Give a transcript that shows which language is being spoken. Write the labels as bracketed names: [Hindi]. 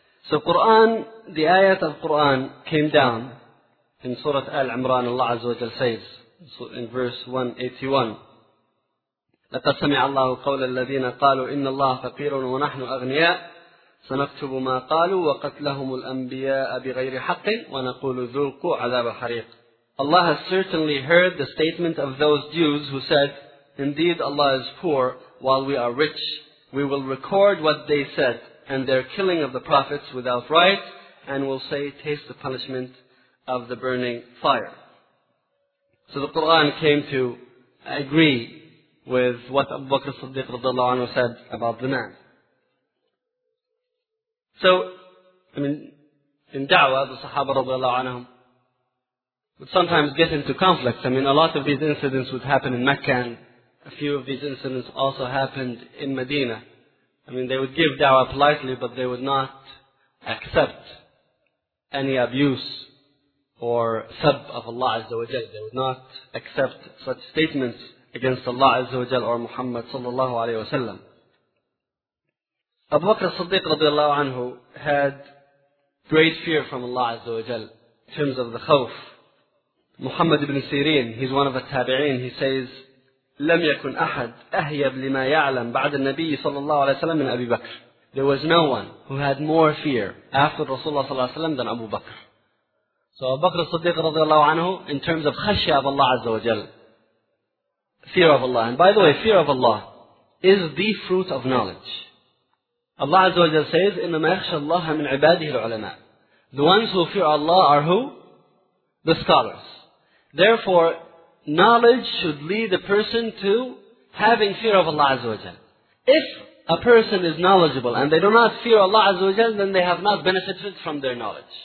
[English] So Quran, the ayat of Quran came down in Surah Al-Imran, Allah Azza wa Jalla says, in verse 181, [Arabic] لقد سمع الله قول الذين قالوا إن الله فقير ونحن أغنياء سنكتب ما قالوا وقتلهم الأنبياء بغير حق ونقول ذوقوا عذاب الحريق. [English] Allah has certainly heard the statement of those Jews who said, indeed Allah is poor while we are rich. We will record what they said and their killing of the prophets without right, and will say, taste the punishment of the burning fire. So the Quran came to agree with what Abu Bakr as-Siddiq radiallahu anhu said about the man. So, I mean, in da'wah, the Sahaba radiallahu anhu would sometimes get into conflict. I mean, a lot of these incidents would happen in Mecca, and a few of these incidents also happened in Medina. I mean, they would give da'wah politely, but they would not accept any abuse or sab of Allah Azza wa Jalla. They would not accept such statements against Allah Azza wa Jal or Muhammad sallallahu alayhi wa sallam. Abu Bakr as-Siddiq radiallahu anhu had great fear from Allah Azza wa Jal in terms of the khawf. Muhammad ibn Sirin, he's one of the tabi'in, he says, [Arabic] لم يكن أحد أهيب لما يعلم بعد النبي صلى الله عليه وسلم من أبي بكر. [English] There was no one who had more fear after Rasulullah صلى الله عليه وسلم than Abu Bakr. So Abu Bakr as-Siddiq radiallahu anhu, in terms of khashya of Allah Azza wa Jal, fear of Allah. And by the way, fear of Allah is the fruit of knowledge. Allah Azza wa Jalla says, [Arabic] إِنَّمَا يَخْشَى اللَّهَ مِنْ عِبَادِهِ الْعُلَمَاءِ. [English] The ones who fear Allah are who? The scholars. Therefore, knowledge should lead a person to having fear of Allah Azza wa Jalla. If a person is knowledgeable and they do not fear Allah Azza wa Jalla, then they have not benefited from their knowledge.